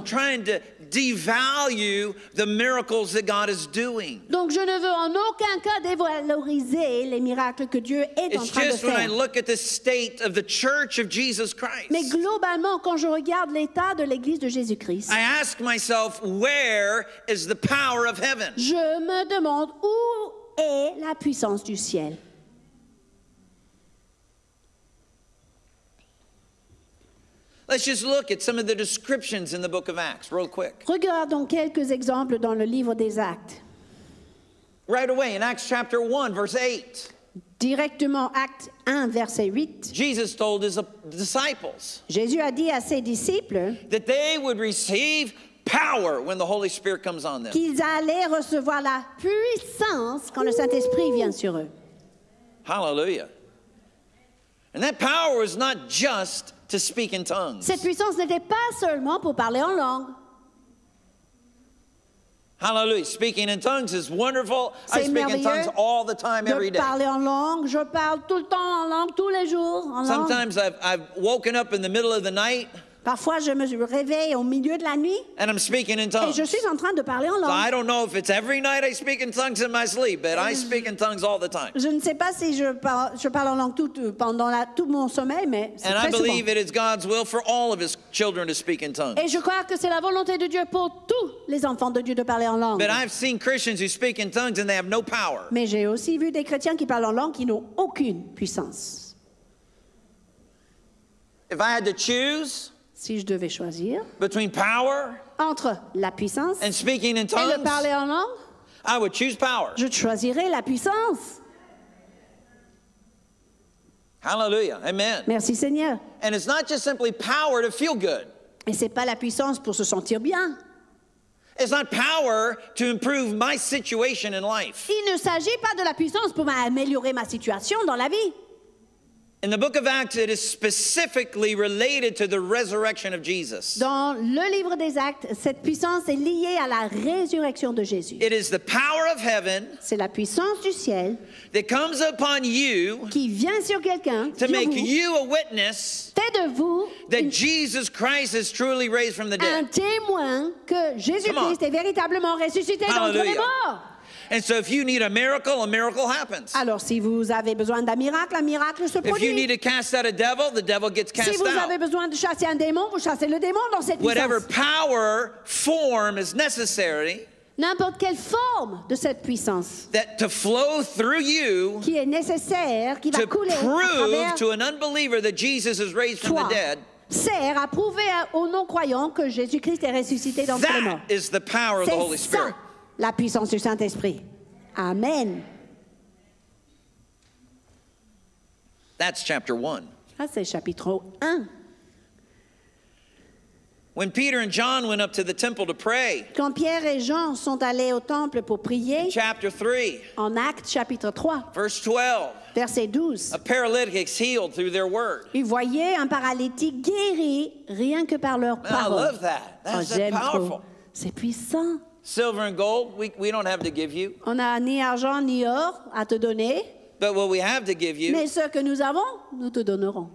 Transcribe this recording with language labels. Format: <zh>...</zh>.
<en>I'm not trying to devalue the miracles that God is doing.</en> <fr>Donc je ne veux en aucun cas dévaloriser les miracles que Dieu est en train de faire.</fr> <en>It's just when I look at the state of the church of Jesus Christ.</en> <fr>Mais globalement, quand je regarde l'état de l'église de Jésus-Christ,</fr> <en>I ask myself, where is the power of heaven?</en> <fr>Je me demande où est la puissance du ciel.</fr> <en>Let's just look at some of the descriptions in the book of Acts, real quick.</en> <fr>Regardons quelques exemples dans le livre des Actes.</fr> <en>Right away, in Acts chapter 1, verse 8.</en> <fr>Directement, Acte 1, verset 8.</fr> <en>Jesus told his disciples.</en> <fr>Jésus a dit à ses disciples</fr> <en>that they would receive power when the Holy Spirit comes on them.</en> <fr>Qu'ils allaient recevoir la puissance quand le Saint-Esprit vient sur eux.</fr> <en>Hallelujah. And that power is not just to speak in tongues.</en> <fr>Cette puissance n'était pas seulement pour parler en langue.</fr> <en>Hallelujah. Speaking in tongues is wonderful.</en> <fr>C'est</fr> <en>I speak in tongues all the time, every day.</en> <fr>De parler en langue. Je parle tout le temps en langue, tous les jours, en</fr> <en>Sometimes</en> <fr>langue.</fr> <en>I've woken up in the middle of the night.</en> <fr>Parfois, je me réveille au milieu de la nuit.</fr> <en>And I'm speaking in tongues.</en> <fr>Et je suis en train de parler en langue.</fr> <en>So I don't know if it's every night I speak in tongues in my sleep, but I speak in tongues all the time.</en> <fr>Je ne sais pas si je parle en langue pendant tout mon sommeil, mais c'est</fr> <en>And</en> <fr>très</fr> <en>I believe</en> <fr>souvent.</fr> <en>It is God's will for all of His children to speak in tongues.</en> <fr>Et je crois que c'est la volonté de Dieu pour tous les enfants de Dieu de parler en langue.</fr> <en>But I've seen Christians who speak in tongues and they have no power.</en> <fr>Mais j'ai aussi vu des chrétiens qui parlent en langue qui n'ont aucune puissance.</fr> <en>If I had to choose.</en> <fr>Si je devais choisir</fr> <en>Between power</en> <fr>entre la puissance</fr> <en>and speaking in tongues,</en> <fr>et le parler en langue,</fr> <en>I would choose power.</en> <fr>Je choisirais la puissance.</fr> <en>Hallelujah. Amen.</en> <fr>Merci Seigneur.</fr> <en>And it's not just simply power to feel good.</en> <fr>Et c'est pas la puissance pour se sentir bien.</fr> <en>It's not power to improve my situation in life.</en> <fr>Il ne s'agit pas de la puissance pour améliorer ma situation dans la vie.</fr> <en>In the book of Acts, it is specifically related to the resurrection of Jesus.</en> <fr>Dans le livre des Actes, cette puissance est liée à la résurrection de Jésus.</fr> <en>It is the power of heaven.</en> <fr>C'est la puissance du ciel.</fr> <en>That comes upon you.</en> <fr>Qui vient sur quelqu'un.</fr> <en>To make you a witness.</en> <fr>Fait de vous.</fr> <en>That Jesus Christ is truly raised from the dead.</en> <fr>Un témoin que Jésus-Christ est véritablement ressuscité d'entre les morts.</fr> <en>And so if you need a miracle happens.</en> <fr>Alors si vous avez besoin d'un miracle, un miracle se produit.</fr> <en>If you need to cast out a devil, the devil gets cast out.</en> <fr>Si vous</fr> <en>out.</en> <fr>Avez besoin de chasser un démon, vous chassez le démon dans cette puissance.</fr> <en>Whatever power form is necessary.</en> <fr>N'importe quelle forme de cette puissance.</fr> <en>That to flow through you.</en> <fr>Qui est nécessaire, qui</fr> <en>to</en> <fr>va couler</fr> <en>prove</en> <fr>à travers</fr> <en>to an unbeliever that Jesus is raised</en> <fr>toi.</fr> <en>From the dead.</en> <fr>Sert à prouver aux non-croyants que Jésus-Christ est ressuscité d'entre les morts.</fr> <en>That is the power</en> <fr>C'est</fr> <en>of the Holy Spirit.</en> <fr>Ça. La puissance du Saint-Esprit. Amen.</fr> <en>That's chapter 1.</en> <fr>Ça, c'est chapitre 1.</fr> <en>When Peter and John went up to the temple to pray,</en> <fr>quand Pierre et Jean sont allés au temple pour prier,</fr> <en>chapter 3,</en> <fr>en Actes chapitre 3,</fr> <en>verse 12,</en> <fr>verset 12,</fr> <en>a paralytic is healed through their word.</en> <fr>Ils voyaient un paralytique guéri rien que par leur parole.</fr> <en>I love that. That's powerful.</en> <fr>C'est puissant.</fr> <en>Silver and gold, we don't have to give you.</en> <fr>On a ni argent ni or à te donner.</fr> <en>But what we have to give you.</en> <fr>Mais ce que nous avons, nous te donnerons.</fr>